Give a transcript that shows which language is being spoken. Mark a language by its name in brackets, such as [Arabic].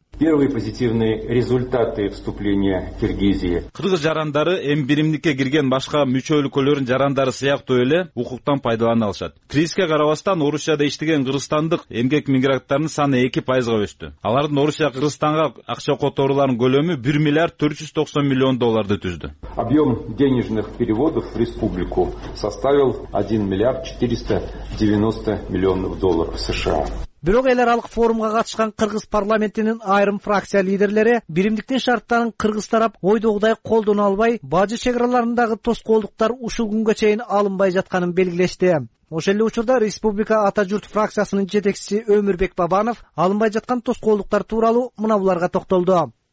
[Russian] Первые позитивные результаты вступления Киргизии. [Kyrgyz] Кыргыз жарандары М1-ке кирген башка мүчө өлкөлөрүн жарандары сыяктуу эле укуктан пайдалана алышат. Кризиске карабастан Орусияда иштеген кыргызстандык эмгек мигранттарынын саны 2% өстү. Алардын Орусия Кыргызстанга акча которууларынын көлөмү 1,490,000,000 долларды түздү. [Russian] Объем денежных переводов в республику составил 1,490,000,000 долларов США. [Kyrgyz] Бирок эл аралык форумга катышкан кыргыз парламентинин айрым фракция лидерлери биримдиктин шарттарын кыргыз тарап ойдогудай колдоно албай, бажы чек аралыгындагы тоскоолдуктар ушул күнгө чейин алынбай жатканын белгилешти. Ошол эле учурда Республика Ата Журт фракциясынын жетекчиси Өмүрбек Бабанов алынбай жаткан тоскоолдуктар тууралуу мына буларга токтолду.